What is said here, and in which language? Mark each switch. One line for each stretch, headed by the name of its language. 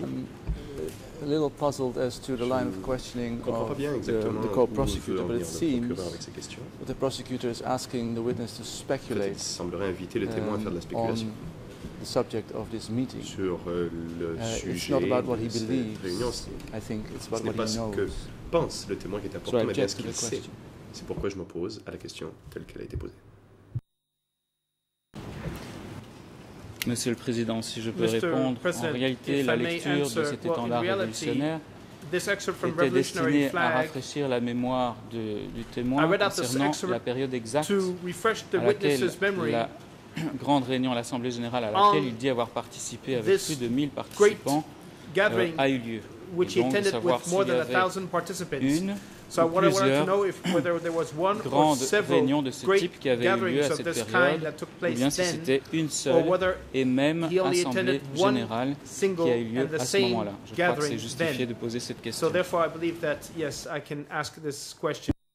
English: I'm a little puzzled as to the line of questioning of the co-prosecutor, but it seems that the prosecutor is asking the witness to speculate on the subject of this meeting.
French: Sur le sujet,
English: it's not about what he believes, I think it's about what he knows.
French: Pense le témoin qui est important, mais bien ce qu'il sait. C'est pourquoi je m'oppose à la question telle qu'elle a été posée. Monsieur le Président, si je peux répondre, en réalité, la lecture de cet étendard révolutionnaire était destinée à rafraîchir la mémoire du témoin concernant la période exacte à laquelle la grande réunion à l'Assemblée générale à laquelle il dit avoir participé avec plus de 1000 participants a eu lieu.
English: Which he attended with more than 1,000 participants. So what I wanted to know if whether there was one or several great gatherings of this kind that took place then, or whether he only attended one single and the same gathering then. So therefore, I believe that yes, I can ask this question.